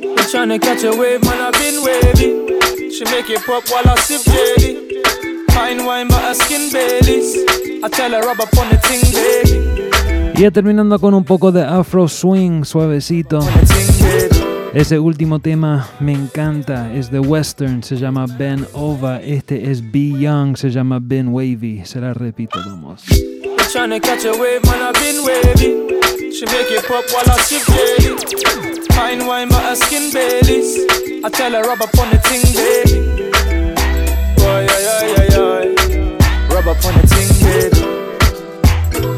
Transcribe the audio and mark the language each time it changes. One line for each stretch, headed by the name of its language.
English: Tryna catch a wave, man, I've been wavy. She make it pop while I sip jelly. Fine wine, but her skin Baileys. I tell her rub up on the ting, baby.
Spanish: Y terminando con un poco de Afro Swing, suavecito. Ese último tema me encanta, es de Western, se llama Ben Ova. Este es Be Young, se llama Ben Wavy. Se la repito, vamos.
English: Tryna catch a wave, man, I've been wavy. She make it pop while I sip jelly. Fine wine but her skin Baileys. I tell her rub up on the ting, baby. Oh, yeah, yeah, yeah, yeah. Rub up on the ting, baby.